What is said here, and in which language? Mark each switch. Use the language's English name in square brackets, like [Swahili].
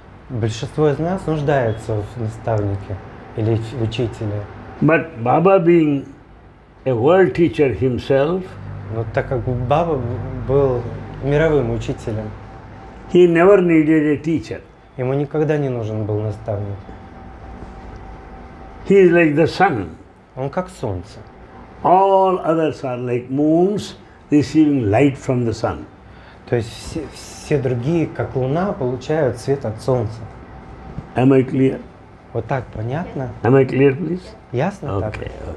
[Russian] Большинство из нас нуждается в наставнике или в учителе. [English] But Baba being a world teacher himself, [Russian] но так как Баба был мировым учителем, [English] he never needed a teacher. [Russian] Ему никогда не нужен был наставник. [English] He is like the sun. [Russian] Он как солнце. [English] All others are like moons, receiving light from the sun. [Russian] То есть все другие, как луна, получают свет от солнца. [English] Am I clear? [Russian] Вот так понятно? [English] Am I clear, please? [Russian] Ясно [English] okay, [Russian] так? [English] Okay, okay.